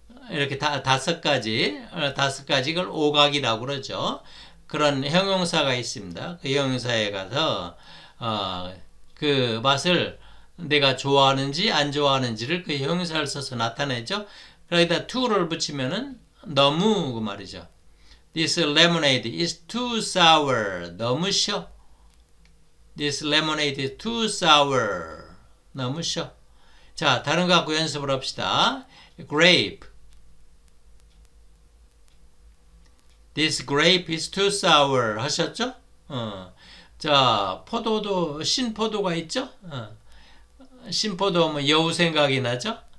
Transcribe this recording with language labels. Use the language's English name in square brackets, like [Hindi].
[Korean] 이렇게 다섯 가지 이걸 오각이라고 그러죠. 그런 형용사가 있습니다. 그 형용사에 가서, 그 맛을 내가 좋아하는지 안 좋아하는지를 그 형용사를 써서 나타내죠. 그러다 too를 붙이면은 너무 그 말이죠. [English] This lemonade is too sour. [Korean] 너무 셔. [English] This lemonade is too sour. [Korean] 너무 셔. 자, 다른 거 갖고 연습을 합시다. [English] Grape. This grape is too sour. [Korean] 하셨죠? 자, 포도도 신포도가 있죠? 신포도 하면 여우 생각이 나죠?